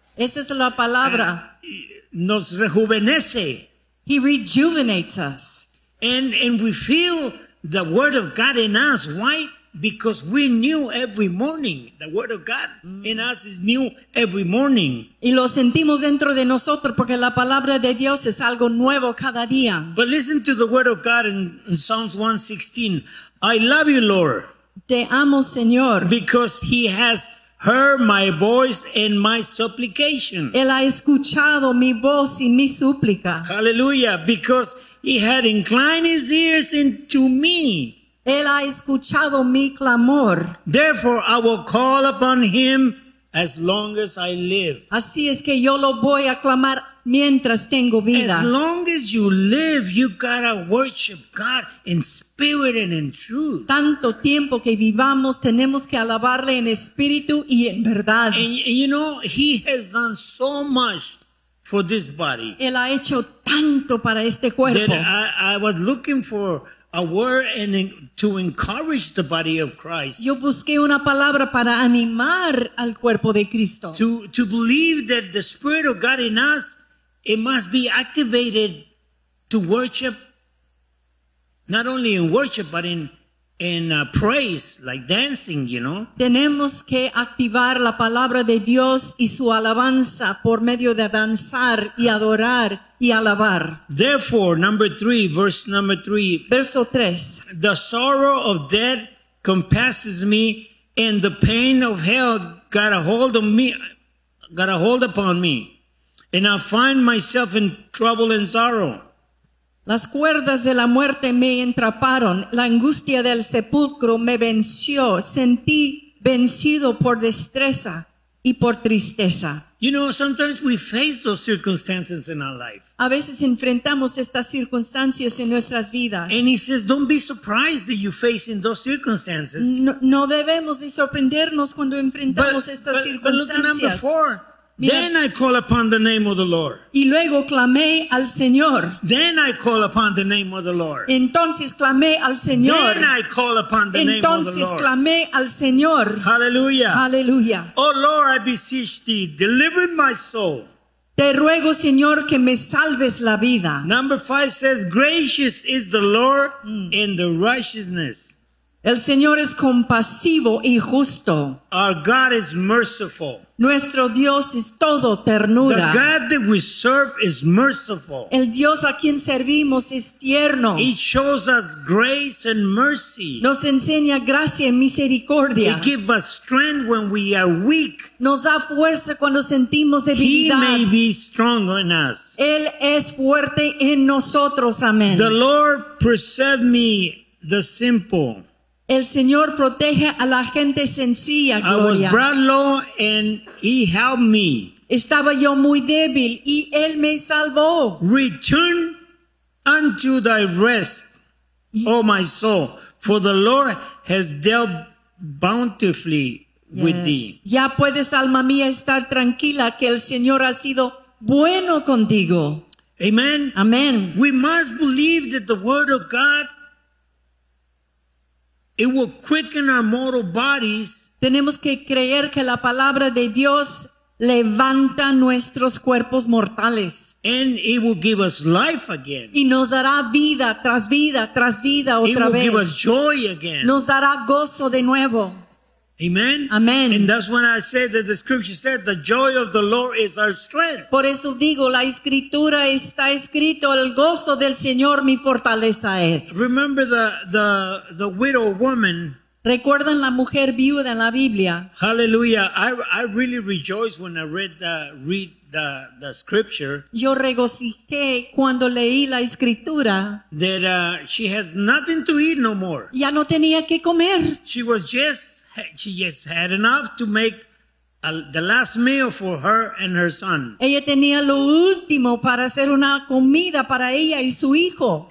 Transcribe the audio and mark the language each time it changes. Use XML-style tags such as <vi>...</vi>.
<es>Esa es la palabra. Nos rejuvenece.</es> <en>He rejuvenates us. And we feel the word of God in us. Why? Because we knew every morning. The word of God in us is new every morning.</en> <es>Y lo sentimos dentro de nosotros porque la palabra de Dios es algo nuevo cada día.</es> <en>But listen to the word of God in Psalms 116. I love you, Lord.</en> <es>Te amo, Señor.</es> <en>Because he has heard my voice and my supplication.</en> <es>Él ha escuchado mi voz y mi súplica.</es> <en>Hallelujah. Because he had inclined his ears into me.</en> <es>Él ha escuchado mi clamor.</es> <en>Therefore, I will call upon him as long as I live.</en> <es>Así es que yo lo voy a clamar mientras tengo vida.</es> <en>As long as you live, you gotta worship God in spirit and in truth.</en> <es>Tanto tiempo que vivamos, tenemos que alabarle en espíritu y en verdad.</es> <en>And you know, he has done so much for this body.</en> <es>Él ha hecho tanto para este cuerpo.</es> <en>That I was looking for a word and to encourage the body of Christ.</en> <es>Yo busqué una palabra para animar al cuerpo de Cristo.</es> <en>To believe that the Spirit of God in us, it must be activated to worship, not only in worship, but in praise, like dancing, you know.</en> <es>Tenemos que activar la palabra de Dios y su alabanza por medio de danzar y adorar y alabar.</es> <en>Therefore, verso 3. The sorrow of death compasses me, and the pain of hell got a hold upon me, and I find myself in trouble and sorrow.</en> <es>Las cuerdas de la muerte me entraparon, la angustia del sepulcro me venció, sentí vencido por destreza y por tristeza.</es> <en>You know, sometimes we face those circumstances in our life.</en> <es>A veces enfrentamos estas circunstancias en nuestras vidas.</es> <en>And he says, don't be surprised that you're facing those circumstances.</en> <es>No debemos de sorprendernos cuando enfrentamos estas circunstancias.</es> <en>But look at number 4. Then I call upon the name of the Lord.</en> <es>Y luego clamé al Señor.</es> <en>Then I call upon the name of the Lord.</en> <es>Entonces clamé al Señor.</es> <en>Then I call upon the name of the Lord.</en> <es>Entonces clamé al Señor.</es> <en>Hallelujah. Hallelujah. Oh Lord, I beseech thee, deliver my soul.</en> <es>Te ruego, Señor, que me salves la vida.</es> <en>Number 5 says, gracious is the Lord in the righteousness.</en> <es>El Señor es compasivo y justo.</es> <en>Our God is merciful.</en> <es>Nuestro Dios es todo ternura.</es> <en>The God that we serve is merciful.</en> <es>El Dios a quien servimos es tierno.</es> <en>He shows us grace and mercy.</en> <es>Nos enseña gracia y misericordia.</es> <en>He gives us strength when we are weak.</en> <es>Nos da fuerza cuando sentimos debilidad.</es> <en>He may be strong in us.</en> <es>Él es fuerte en nosotros. Amén.</es> <en>The Lord preserve me the simple.</en> <es>El Señor protege a la gente sencilla, Gloria.</es> <en>I was brought low and he helped me.</en> <es>Estaba yo muy débil y él me salvó.</es> <en>Return unto thy rest, oh my soul, for the Lord has dealt bountifully with thee.</en> <es>Ya puedes, alma mía, estar tranquila que el Señor ha sido bueno contigo.</es> <en>Amen. Amen. We must believe that the word of God, it will quicken our mortal bodies.</en> <es>Tenemos que creer que la palabra de Dios levanta nuestros cuerpos mortales.</es> <en>And it will give us life again.</en> <es>Y nos dará vida tras vida tras vida otra vez.</es> <en>It will give us joy again.</en> <es>Nos dará gozo de nuevo.</es> <en>Amen. Amen. And that's when I said that the scripture said the joy of the Lord is our strength.</en> <es>Por eso digo, la escritura está escrito, el gozo del Señor mi fortaleza es.</es> <en>Remember the widow woman.</en> <es>¿Recuerdan la mujer viuda en la Biblia?</es> <en>Hallelujah. I really rejoiced when I read the scripture.</en> <es>Yo regocijé cuando leí la escritura.</es> <en>That she has nothing to eat no more.</en> <es>Ya no tenía que comer.</es> <en>She just had enough to make the last meal for her and her son.</en> <es>Ella tenía lo último para hacer una comida para ella y su hijo.</es>